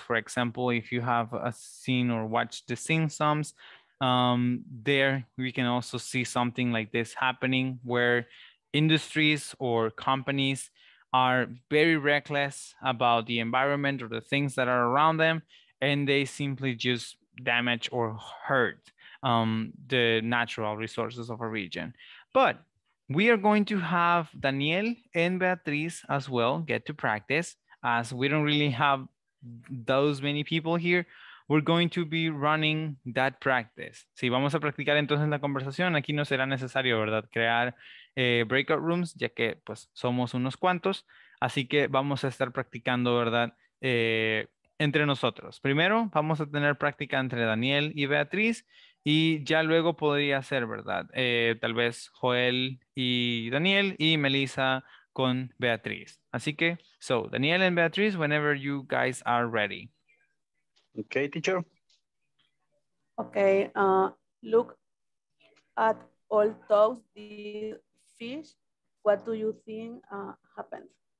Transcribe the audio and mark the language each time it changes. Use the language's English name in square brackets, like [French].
[English] For example, if you have seen or watched the Simpsons, there we can also see something like this happening, where industries or companies are very reckless about the environment or the things that are around them, and they simply just damage or hurt the natural resources of a region. But we are going to have Daniel and Beatriz as well get to practice, as we don't really have those many people here. We're going to be running that practice. [Spanish] Sí, vamos a practicar entonces la conversación. Aquí no será necesario, ¿verdad?, crear breakout rooms, ya que pues somos unos cuantos. Así que vamos a estar practicando, ¿verdad?, entre nosotros. Primero vamos a tener práctica entre Daniel y Beatriz, y ya luego podría ser, ¿verdad?, tal vez Joel y Daniel, y Melissa con Beatriz. Así que, [English] so, Daniel and Beatriz, whenever you guys are ready. Okay, teacher. Okay, look at all those dead fish. What do you think happened?